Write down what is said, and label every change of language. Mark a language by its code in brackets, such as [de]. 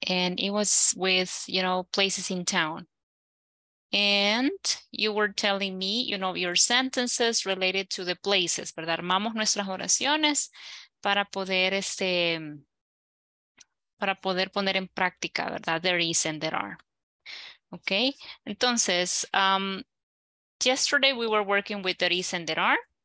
[en] And it was with, you know, places in town. And you were telling me, you know, your sentences related to the places, ¿verdad? [es] Armamos nuestras oraciones para poder, para poder poner en práctica, ¿verdad? [en] There is and there are. Okay. Entonces, yesterday we were working with there is and there are.